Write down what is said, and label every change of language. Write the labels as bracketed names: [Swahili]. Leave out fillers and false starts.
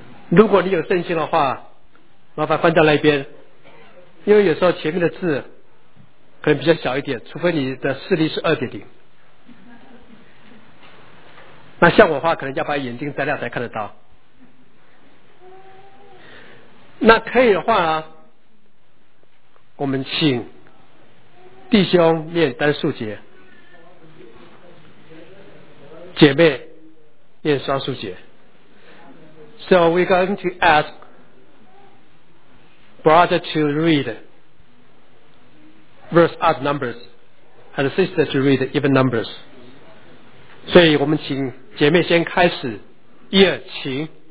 [Chinese] 如果你有圣经的话，麻烦翻到那边，因为有时候前面的字可能比较小一点，除非你的视力是 2.0， 那像我的话可能要把眼睛摘掉才看得到。那可以的话呢，我们请弟兄念单数节，姐妹念双数节。 [English] So we're going to ask brother to read verse odd numbers and sister to read even numbers. [Chinese] 所以我们请姐妹先开始，一二请。